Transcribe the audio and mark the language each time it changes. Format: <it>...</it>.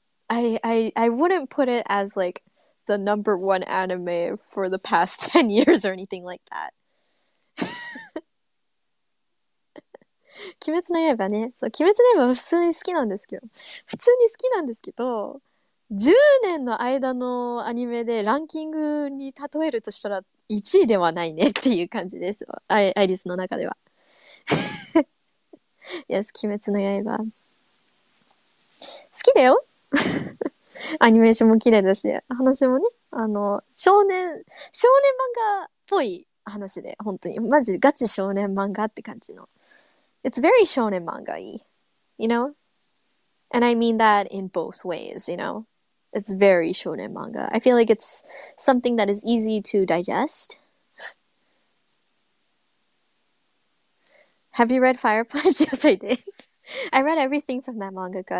<en>I wouldn't put it as like the number one anime for the past 10 years or anything like that.</en> <ja>鬼滅の刃ね。そう、鬼滅の刃は普通に好きなんですけど。普通に好きなんですけど、10年の間のアニメでランキングに例えるとしたら1位ではないねっていう感じです。アイリスの中では。 Yes, 鬼滅の刃。好きだよ。アニメーションも綺麗だし、話もね、少年漫画っぽい話で、本当に。マジガチ少年漫画って感じの。</ja> <en>It's very shonen manga-y, and I mean that in both ways, It's very shonen manga. I feel like it's something that is easy to digest. Have you read Fire Punch? Yes, I did. I read everything from that mangaka.</en>